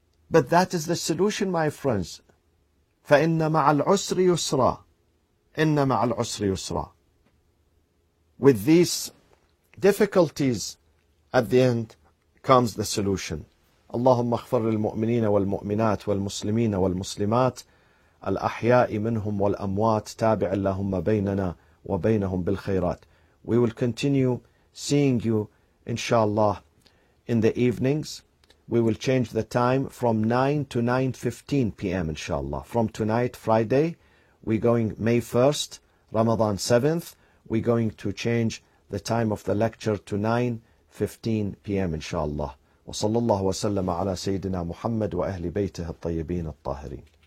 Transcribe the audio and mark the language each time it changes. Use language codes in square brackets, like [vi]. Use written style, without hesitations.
[en] But that is the solution, my friends. [ar] فَإِنَّ مَعَ الْعُسْرِ يُسْرًا إِنَّ مَعَ الْعُسْرِ يُسْرًا. [en] With these difficulties, at the end comes the solution. [ar] اللهم اغفر للمؤمنين والمؤمنات والمسلمين والمسلمات الأحياء منهم والأموات تابع اللهم بيننا وبينهم بالخيرات. [en] We will continue seeing you, inshallah, in the evenings. We will change the time from 9 to 9:15 p.m. inshallah. From tonight, Friday, we're going May 1st, Ramadan 7th, we're going to change the time of the lecture to 9:15 p.m. [ar] inshallah. وصلى الله وسلم على سيدنا محمد وأهل بيته الطيبين الطاهرين.